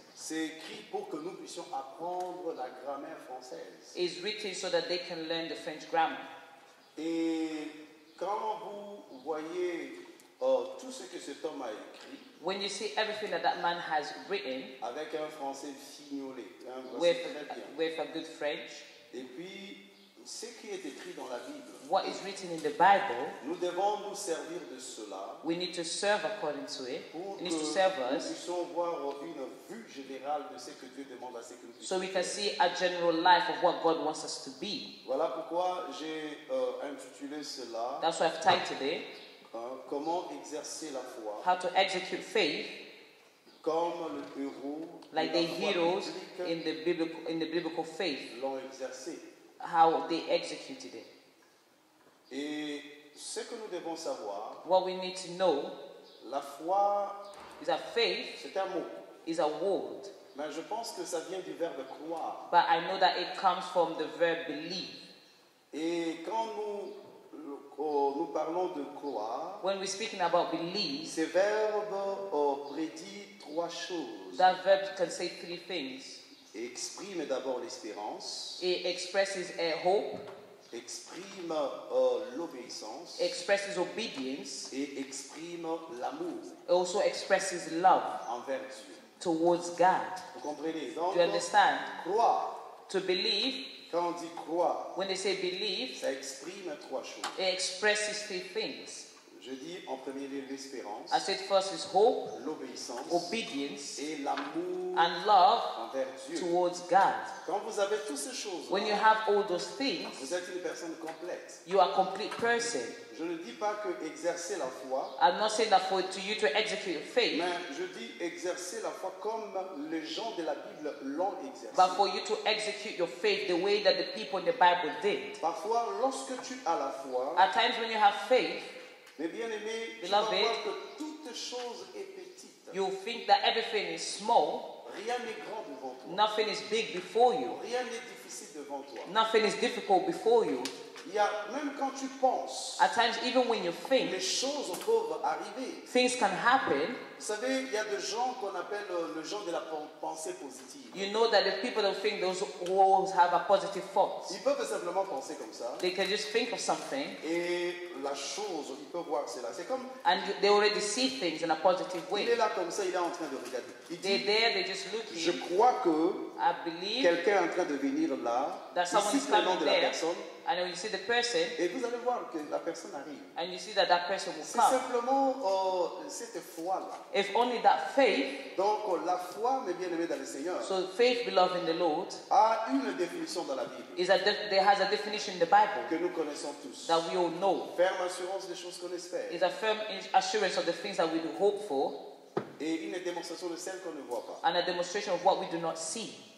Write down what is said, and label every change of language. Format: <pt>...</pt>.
<fr>C'est écrit pour que nous puissions apprendre la grammaire française.</fr> <en>It's written so that they can learn the French grammar.</en> <fr>Et quand vous voyez tout ce que cet homme a écrit.</fr> <en>When you see everything that man has written.</en> <fr>Avec un français fignolé.</fr> <en>With a good French.</en> <fr>Et puis ce qui est écrit dans la Bible.</fr> <en>What is written in the Bible?</en> <fr>Nous devons nous servir de cela.</fr> <en>We need to serve according to it.</en> <fr>Pour</fr> <en>it needs to serve</en> <fr>nous</fr> <en>us.</en> <fr>Puissions voir une vue générale de ce que Dieu demande à ce que nous</fr> <en>so we can see a general life of what God wants us to be.</en> <fr>Voilà pourquoi j'ai intitulé cela.</fr> <en>That's why I've titled it.</en> <fr>Comment exercer la foi?</fr> <en>How to execute faith?</en> <fr>Comme le héros.</fr> <en>Like the heroes</en> <fr>biblique.</fr> <en>in the biblical faith.</en> <fr>L'ont exercé.</fr> <en>How they executed it.</en> <fr>Et ce que nous devons savoir,</fr> <en>what we need to know,</en> <fr>la foi,</fr> <en>is a faith,</en> <fr>c'est un mot,</fr> <en>is a word.</en> <fr>Mais je pense que ça vient du verbe croire.</fr> <en>But I know that it comes from the verb believe.</en> <fr>Et quand nous parlons de croire,</fr> <en>when we're speaking about believe,</en> <fr>ce verbe prédit trois choses.</fr> <en>That verb can say three things.</en> <fr>Et exprime d'abord l'espérance.</fr> <en>It expresses a hope.</en> <fr>Exprime l'obéissance.</fr> <en>Expresses obedience.</en> <fr>Et exprime l'amour.</fr> <en>It also expresses love.</en> <fr>Envers Dieu.</fr> <en>Towards God.</en> <fr>Vous comprenez? Donc,</fr> <en>you understand?</en> <fr>Croire.</fr> <en>To believe.</en> <fr>Quand on dit croire.</fr> <en>When they say believe.</en> <fr>Ça exprime trois choses.</fr> <en>It expresses three things.</en> <fr>Je dis en premier lieu l'espérance.</fr> <en>I said first is hope,</en> <fr>l'obéissance,</fr> <en>obedience,</en> <fr>et l'amour</fr> <en>and love</en> <fr>envers Dieu.</fr> <en>Towards God.</en> <fr>Quand vous avez toutes ces choses,</fr> <en>when you have all those things,</en> <fr>vous êtes une personne complète.</fr> <en>You are a complete person.</en> <fr>Je ne dis pas que exercer la foi.</fr> <en>I'm not saying that for to you to execute your faith.</en> <fr>Mais je dis exercer la foi comme les gens de la Bible l'ont exercé.</fr> <en>But for you to execute your faith the way that the people in the Bible did.</en> <fr>Parfois, lorsque tu as la foi,</fr> <en>at times when you have faith,</en> <fr>mais bien aimé, beloved, tu vas voir que toute chose est petite.</fr> <en>You think that everything is small.</en> <fr>Rien n'est grand devant toi.</fr> <en>Nothing is big before you.</en> <fr>Rien n'est difficile devant toi.</fr> <en>Nothing is difficult before you.</en> <fr>Même quand tu penses,</fr> <en>at times, even when you think,</en> <fr>les choses peuvent arriver.</fr> <en>Things can happen.</en> <fr>Vous savez, il y a des gens qu'on appelle le genre de la pensée positive.</fr> <en>You know that the people who think those walls have a positive thought.</en> <fr>Ils peuvent simplement penser comme ça.</fr> <en>They can just think of something.</en> <fr>Et la chose, ils peuvent voir cela. C'est comme.</fr> <en>And they already see things in a positive way.</en> <fr>Il est là comme ça, il est en train de regarder.</fr> <en>They're there, they're just looking.</en> <fr>Je crois que</fr> <en>I believe</en> <fr>quelqu'un est en train de venir là.</fr> <en>That someone is coming there.</en> <fr>De la personne,</fr> <en>and when you see the person,</en> <fr>et vous allez voir que la personne arrive.</fr> <en>And you see that that person will</en> <fr>c'est</fr> <en>come.</en> <fr>Simplement cette foi là.</fr> <en>If only that faith.</en> <fr>Donc la foi, mais bien aimée dans le Seigneur.</fr> <en>So faith, beloved in the Lord,</en> <fr>a une définition dans la Bible.</fr> <en>Is that there has a definition in the Bible</en> <fr>que nous connaissons tous.</fr> <en>That we all know.</en> <fr>Ferme assurance des choses qu'on espère.</fr> <en>Is a firm assurance of the things that we do hope for.</en> <fr>Et une démonstration de celles qu'on ne voit pas.</fr> <en>And a demonstration of what we do not see.</en>